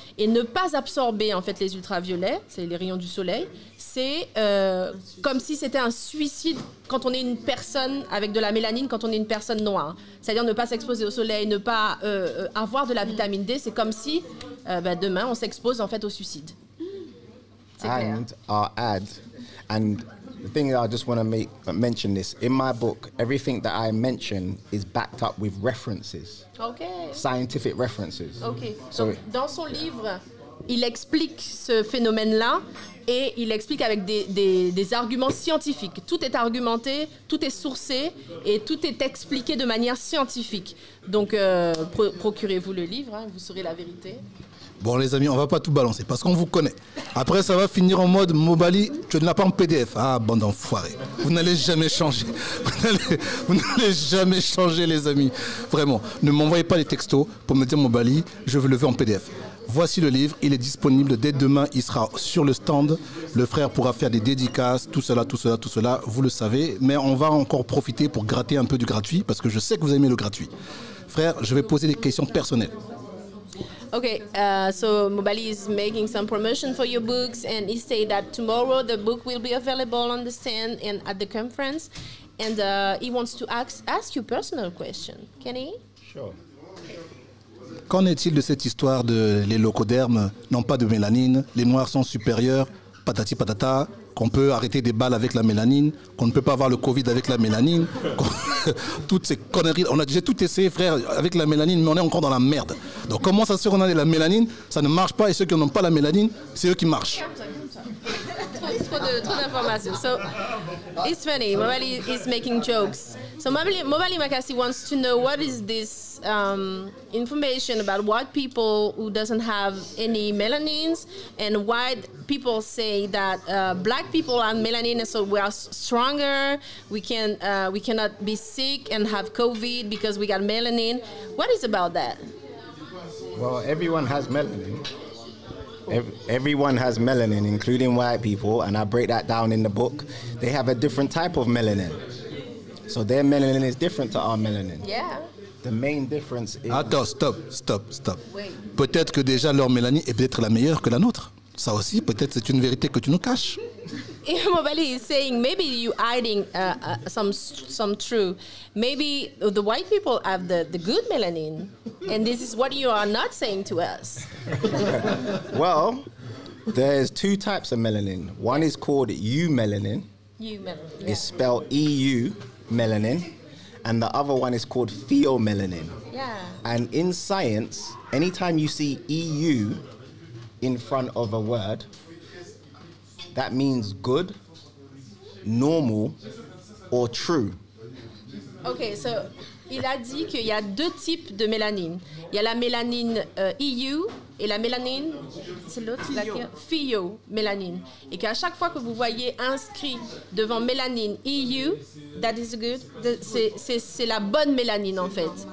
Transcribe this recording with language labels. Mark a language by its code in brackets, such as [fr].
[fr] Et ne pas absorber en fait les ultraviolets, c'est les rayons du soleil, c'est comme si c'était un suicide quand on est une personne avec de la mélanine, quand on est une personne noire. C'est-à-dire ne pas s'exposer au soleil, ne pas avoir de la vitamine D, c'est comme si demain on s'expose en fait au suicide. [en] And our ad, and the thing that I just want to mention this, in my book, everything that I mention is backed up with references. Okay. Scientific references. Okay. [fr] So dans son livre, il explique ce phénomène-là et il explique avec des arguments scientifiques. Tout est argumenté, tout est sourcé et tout est expliqué de manière scientifique. Donc procurez-vous le livre, hein, vous saurez la vérité. Bon les amis, on va pas tout balancer parce qu'on vous connaît. Après ça va finir en mode Mobali, tu ne l'as pas en PDF. Ah bande d'enfoirés, vous n'allez jamais changer. Vous n'allez jamais changer les amis. Vraiment, ne m'envoyez pas les textos pour me dire Mobali, je veux le voir en PDF. Voici le livre, il est disponible dès demain, il sera sur le stand. Le frère pourra faire des dédicaces, tout cela, vous le savez. Mais on va encore profiter pour gratter un peu du gratuit parce que je sais que vous aimez le gratuit. Frère, je vais poser des questions personnelles. [en] Okay, so Mobali is making some promotion for your books, and he said that tomorrow the book will be available on the stand and at the conference, and he wants to ask you a personal question. Can he? Sure. [fr] Qu'en est-il de cette histoire de les locodermes n'ont pas de mélanine, les noirs sont supérieurs, patati patata, qu'on peut arrêter des balles avec la mélanine, qu'on ne peut pas avoir le Covid avec la mélanine, toutes ces conneries, on a déjà tout essayé frère, avec la mélanine, mais on est encore dans la merde. Donc comment ça se fait qu'on a de la mélanine, ça ne marche pas, et ceux qui n'ont pas la mélanine, c'est eux qui marchent. Trop d'informations. [en] So, it's funny, Mobali is making jokes. So Mobali Makassi wants to know what is this information about white people who doesn't have any melanins, and why people say that black people have melanin, so we are stronger, we cannot be sick and have COVID because we got melanin. What is about that? Well, everyone has melanin. Everyone has melanin, including white people, and I break that down in the book. They have a different type of melanin. So their melanin is different to our melanin. Yeah. The main difference is... [fr] Attends, stop. [en] Wait. [fr] Peut-être que déjà leur mélanine est peut-être la meilleure que la nôtre. Ça aussi, peut-être c'est une vérité que tu nous caches. [en] Mobali is saying maybe you hiding some truth. Maybe the white people have the good melanin, and this is what you are not saying to us. Well, there's two types of melanin. One is called eumelanin. Eumelanin. It's spelled E-U melanin, and the other one is called pheomelanin. Yeah. And in science, anytime you see E-U in front of a word, that means good, normal, or true. [fr] Okay, so il a dit qu'il y a deux types de mélanine. Il y a la mélanine EU et la mélanine, c'est l'autre, la pheomélanine. Et qu'à chaque fois que vous voyez inscrit devant mélanine EU, [en] that is good, [fr] c'est la bonne mélanine en fait.